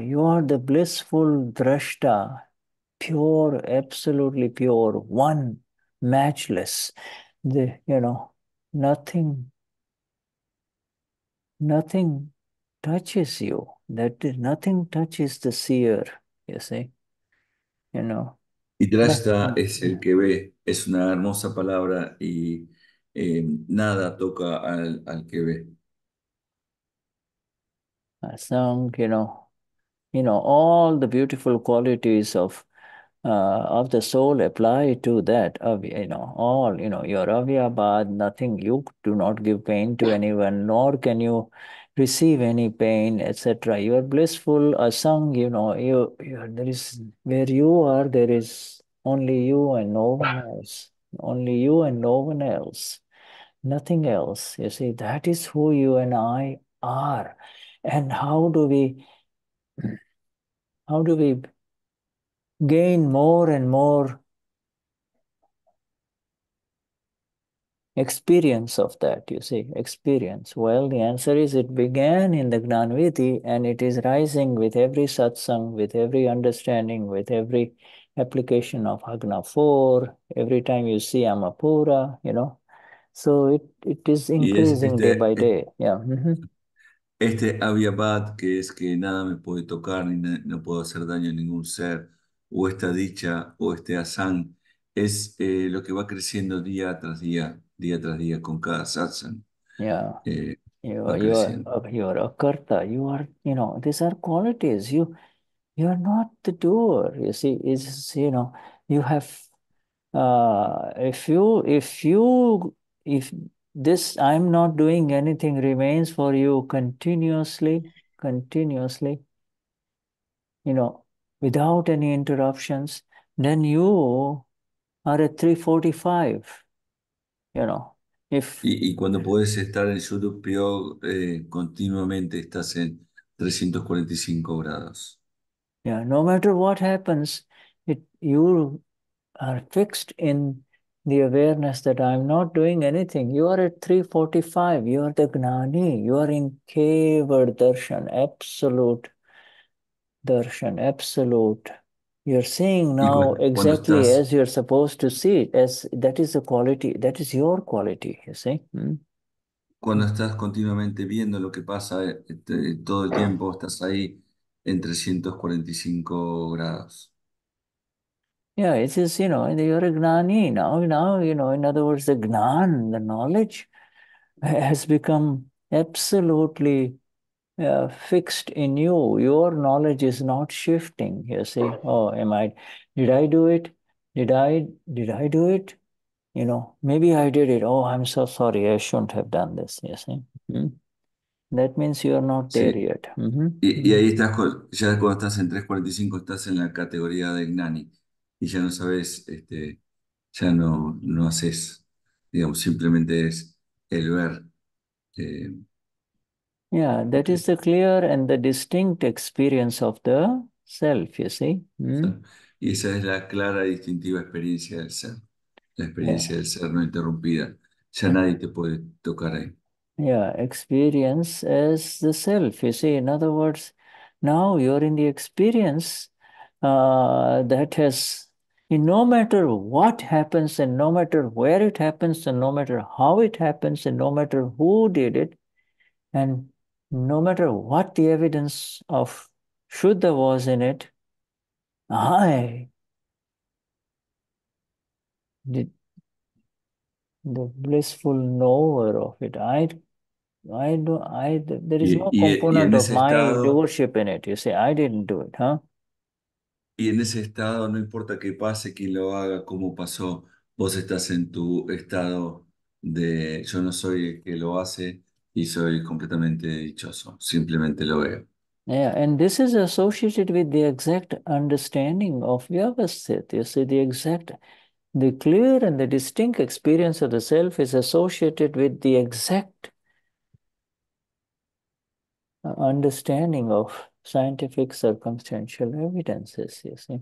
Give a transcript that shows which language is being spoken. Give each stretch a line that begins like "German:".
English: You are the blissful drashta, pure, absolutely pure, one, matchless, the, you know, nothing, nothing touches you. That nothing touches the seer, you see, you know.
Spanish: Y drashta es el que ve, es una hermosa palabra y nada toca al que ve.
English: So, you know, all the beautiful qualities of the soul apply to that, you know, all, you know, your avyabhad, nothing, you do not give pain to anyone, nor can you receive any pain, etc. You are blissful, asang, you know, you are, there is, where you are, there is only you and no one else, only you and no one else, nothing else. You see, that is who you and I are. And how do we gain more and more experience of that, you see, experience? Well, the answer is it began in the Gnanvidhi, and it is rising with every satsang, with every understanding, with every application of Agna 4, every time you see Amapura, you know. So it is increasing day by day. Yeah.
Spanish: Este avyabhad, que es que nada me puede tocar ni no puedo hacer daño a ningún ser, o esta dicha, o este asán, es lo que va creciendo día tras día, con cada satsang.
English: Yeah.
Spanish: Va creciendo.
English: You're a karta. You are, you know, these are qualities. You are not the doer. You see, it's, you know, you have, if this, I'm not doing anything, remains for you continuously, you know, without any interruptions, then you are at 345, you know. If
Spanish: y cuando puedes estar en su propio continuamente estás en 345 grados.
English: Yeah, no matter what happens, you are fixed in the awareness that I'm not doing anything. You are at 345. You are the Gnani. You are in Kevar Darshan, absolute Darshan, absolute. You're seeing now exactly as you're supposed to see it, as that is the quality, that is your quality, you see.
Spanish: Cuando estás continuamente viendo lo que pasa todo el tiempo, estás ahí en 345 grados.
English: Yeah, it is, you know, you're a Gnani. Now, you know, in other words, the Gnan, the knowledge, has become absolutely fixed in you. Your knowledge is not shifting. You see, oh, did I do it? Did I do it? You know, maybe I did it. Oh, I'm so sorry. I shouldn't have done this. You see? That means you are not there
Spanish: Sí.
English: yet.
Spanish: Y ahí estás, ya cuando estás en 345, estás en la categoría de Gnani. Y ya no sabes, ya no haces, digamos, simplemente es el ver.
English: Yeah, that is the clear and the distinct experience of the self, you see.
Spanish: Y esa es la clara y distintiva experiencia del ser. La experiencia
English: Yes.
Spanish: del ser no interrumpida. Ya nadie te puede tocar ahí.
English: Yeah, experience as the self, you see. In other words, now you're in the experience that has, in no matter what happens, and no matter where it happens, and no matter how it happens, and no matter who did it, and no matter what the evidence of Shuddha was in it, the blissful knower of it, I I do I there is no
Spanish: Y en
English: component of
Spanish: ese
English: my
Spanish: estado,
English: doership in it. You say I didn't do it, huh?
Spanish: y en ese estado no importa qué pase, quién lo haga, cómo pasó, vos estás en tu estado de yo no soy el que lo hace y soy completamente dichoso, simplemente lo veo.
English: Yeah, and this is associated with the exact understanding of vyavasthita. You see, the clear and the distinct experience of the self is associated with the exact understanding of scientific circumstantial evidences, you see.